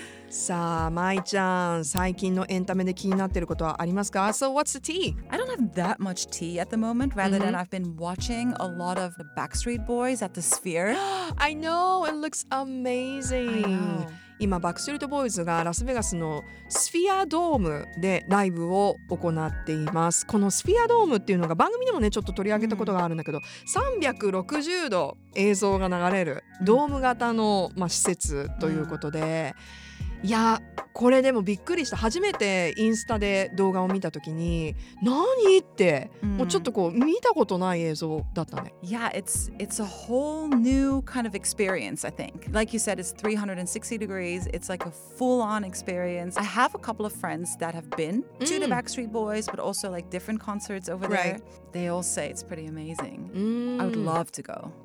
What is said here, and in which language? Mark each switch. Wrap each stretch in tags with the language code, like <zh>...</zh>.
<ja>さあ、まいちゃん、最近のエンタメで気になってることはありますか？</ja> <en>So what's the tea? I don't have that much tea at the moment, rather than I've been watching a lot of the Backstreet Boys at the Sphere. I know, it looks amazing.</en> <ja>今、Backstreet Boys がラスベガスのスフィアドームでライブを行っています。このスフィアドームっていうのが番組でもね、ちょっと取り上げたことがあるんだけど、360度映像が流れるドーム型の、まあ、施設ということで、いやこれでもびっくりした。初めてインスタで動画を見たときに何って、もうちょっとこう見たことない映像だったね。</ja> <en>Yeah, it's a whole new kind of experience, I think. Like you said, it's 360 degrees. It's like a full-on experience. I have a couple of friends that have been to the Backstreet Boys, but also like different concerts over there. Right. They all say it's pretty amazing. I would love to go.</en>